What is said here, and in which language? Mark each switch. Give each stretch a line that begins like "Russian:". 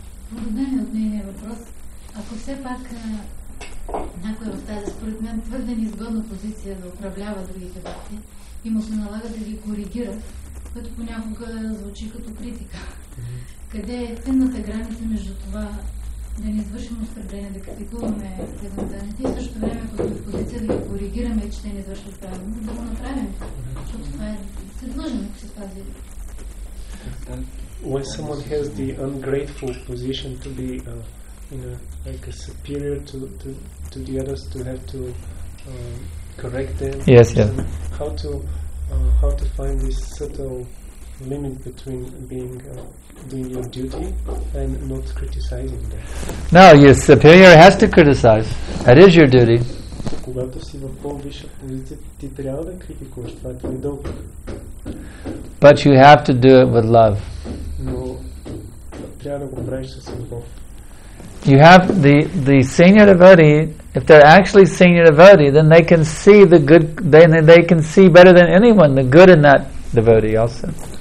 Bulgarian: Благодаря от мене въпрос. Ако все пак Някой в тази, според мен, твърде неизгодна позиция да управлява другите бхакти и му се налага да ги коригира, което понякога звучи като критика. Къде е финната граница между това да не извършим оскърбление, да критикуваме тези и също време, като в позиция да ги коригираме, че те не извършват правилно, да го направим. Защото това е съдлъжно, ако се спази.
English: When someone has the ungrateful position to be you know, like a superior to the others, to have to correct them. Yes, yes. And how to find this subtle limit between being doing your duty and not criticizing them? No, your superior has to criticize. That is your duty.
Bulgarian: Когато си в по-висша позиция, ти трябва да критикуваш, това е твой дълг.
English: But you have to do it with love.
Bulgarian: Но трябва да го правиш с любов.
English: You have the senior devotee, if they're actually senior devotee, then they can see the good, they can see better than anyone the good in that devotee also.